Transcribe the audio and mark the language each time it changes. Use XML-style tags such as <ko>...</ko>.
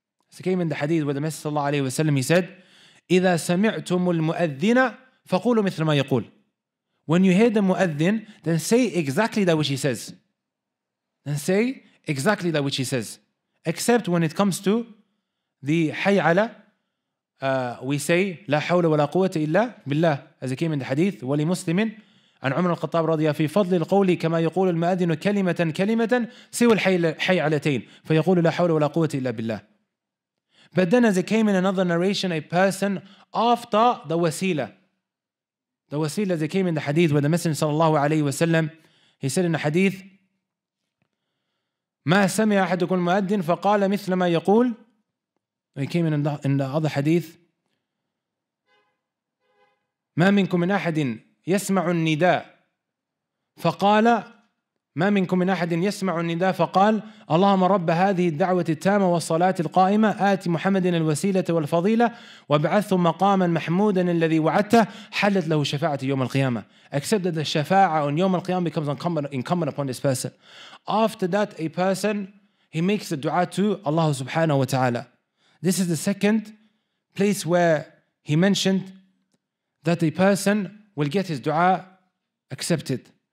<en>So it came in the hadith where the Messenger sallallahu alayhi wa sallam, he said,</en> <ar>إِذَا سَمِعْتُمُ الْمُؤَذِّنَ فَقُولُوا مِثْلَ مَا يَقُولُ.</ar> <en>When you hear the muadhin, then say exactly that which he says. Then say exactly that which he says. Except when it comes to the hay'ala, we say,</en> <ar>لا حول ولا قوة إلا بالله.</ar> <en>As it came in the hadith,</en> <ar>وَلِمُسْلِمٍ عن عمر القطاب رضي في فضل القول كما يقول المؤذن كلمة كلمة سوى الحيعلتين فيقول لا حول ولا قوة إلا بالله.</ar> <en>But then as it came in another narration, a person after the wasila as it came in the hadith where the Messenger صلى الله عليه وسلم, he said in the hadith,</en> <ar>ما سمع أحدكم المؤذن فقال مثل ما يقول.</ar> <en>It came in the other hadith,</en> <ar>ما منكم من أحد يسمع النداء فقال ما منكم من أحد يسمع النداء فقال اللهم رب هذه الدعوة التامة والصلاة القائمة آت محمد الوسيلة والفضيلة وابعثه مقاما محمودا الذي وعدته حلت له شفاعة يوم القيامة.</ar> <en>Except that the شفاعة on يوم القيامة becomes incumbent upon this person. After that, a person, he makes the dua to Allah subhanahu wa ta'ala. This is the second place where he mentioned that a person will get his dua accepted.</en>